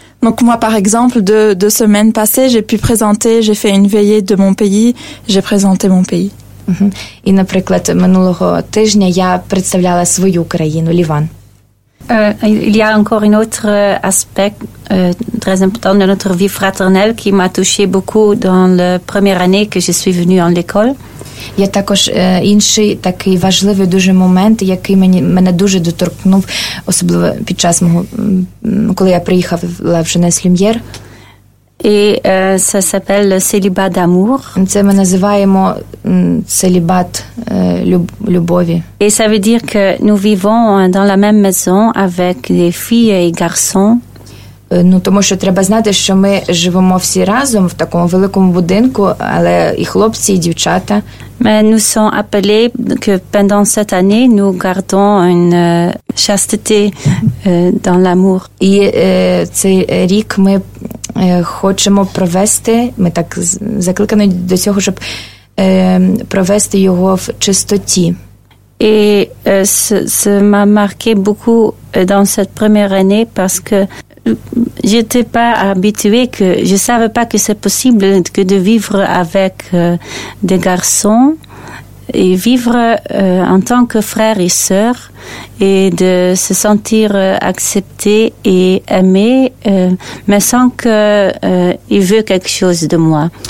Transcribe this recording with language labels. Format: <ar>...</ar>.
<fr>Donc moi par exemple deux semaines passées, j'ai pu présenter, j'ai fait une veillée de mon pays, j'ai présenté mon pays.</fr> <uk>І, наприклад, минулого тижня я представляла свою країну, Ліван.</uk> <fr>Il y a encore un autre aspect très important de notre vie fraternelle qui m'a touché beaucoup dans la première année que je suis venue en l'école.</fr> <uk>Є також інший такий важливий дуже момент, який мене дуже доторкнув, особливо під час мого, коли я приїхала в Jeunesse Lumière. І це</uk> <fr>s'appelle le célibat d'amour.</fr> <uk>Це ми називаємо célibat любові.</uk> <fr>І ça veut dire que nous vivons dans la même maison avec des filles et garçons.</fr> <uk>Ну, тому що треба знати, що ми живемо всі разом в такому великому будинку, але і хлопці, і дівчата.</uk> <fr>Mais nous sommes appelés que pendant cette année, nous gardons une chasteté dans l'amour.</fr> <uk>І цей рік ми хочемо провести, ми так закликані до цього, щоб провести його в чистоті.</uk> <fr>Et ça m'a marqué beaucoup dans cette première année parce que j'étais pas habituée, que je savais pas que c'est possible que de vivre avec des garçons et vivre en tant que frère et sœur et de se sentir accepté et aimé mais sans que il veut quelque chose de moi.</fr>